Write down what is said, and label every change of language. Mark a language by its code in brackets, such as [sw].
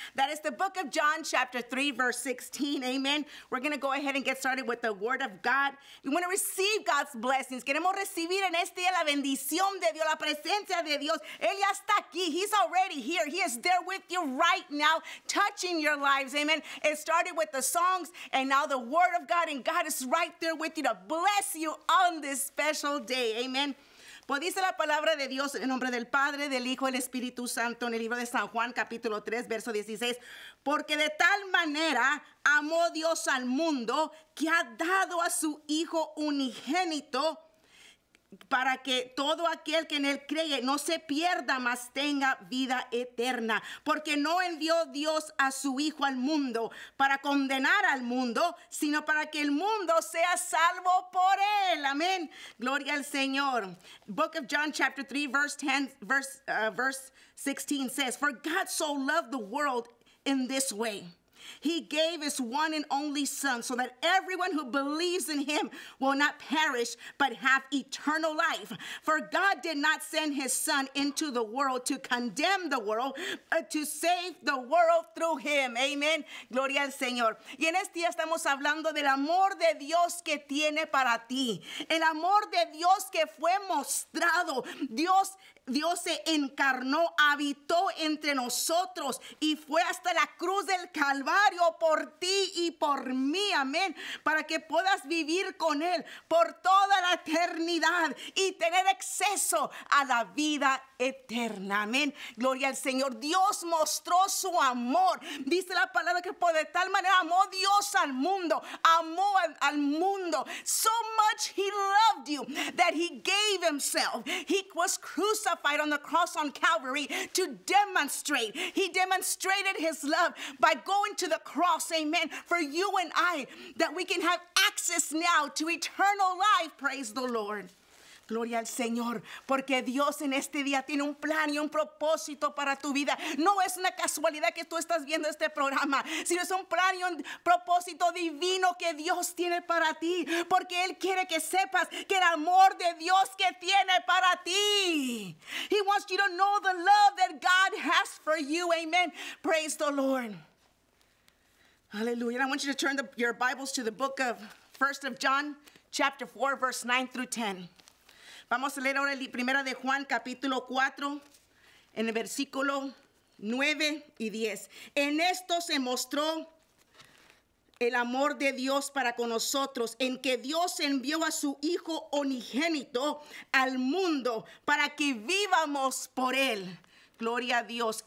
[en] That is the book of John, chapter 3, verse 16, amen. We're going to go ahead and get started with the word of God. You want to receive God's blessings. [es] Queremos recibir en este día la bendición de Dios, la presencia de Dios. Él ya está aquí. [en] He's already here. He is there with you right now, touching your lives, amen. It started with the songs, and now the word of God, and God is right there with you to bless you on this special day. Amen. [es] Pues dice la palabra de Dios en nombre del Padre, del Hijo y del Espíritu Santo en el libro de San Juan, capítulo 3, verso 16. Porque de tal manera amó Dios al mundo que ha dado a su Hijo unigénito para que todo aquel que en él cree no se pierda, mas tenga vida eterna. Porque no envió Dios a su Hijo al mundo para condenar al mundo, sino para que el mundo sea salvo por él. Amén. Gloria al Señor. [en] Book of John, chapter 3, verse 10, verse 16 says, For God so loved the world in this way. He gave his one and only son so that everyone who believes in him will not perish but have eternal life. For God did not send his son into the world to condemn the world, but to save the world through him. [es] Amen. Gloria al Señor. Y en este día estamos hablando del amor de Dios que tiene para ti. El amor de Dios que fue mostrado. Dios se encarnó, habitó entre nosotros y fue hasta la cruz del Calvario por ti y por mí, amén, para que puedas vivir con Él por toda la eternidad y tener acceso a la vida eterna, amén. Gloria al Señor. Dios mostró su amor. Dice la palabra que por de tal manera amó Dios al mundo, amó al mundo. [en] So much He loved you that He gave Himself. He was crucified on the cross on Calvary to demonstrate. He demonstrated his love by going to the cross, amen, for you and I, that we can have access now to eternal life. Praise the Lord. [es] Gloria al Señor, porque Dios en este día tiene un plan y un propósito para tu vida. No es una casualidad que tú estás viendo este programa, sino es un plan y un propósito divino que Dios tiene para ti, porque Él quiere que sepas que el amor de Dios que tiene para ti. [en] He wants you to know the love that God has for you, amen. Praise the Lord. Hallelujah. And I want you to turn your Bibles to the book of 1 of John, chapter 4, verse 9 through 10. [es] Vamos a leer ahora primera de Juan, capítulo 4, en el versículo 9 y 10. En esto se mostró el amor de Dios para con nosotros, en que Dios envió a su Hijo unigénito al mundo para que vivamos por Él. Gloria a Dios.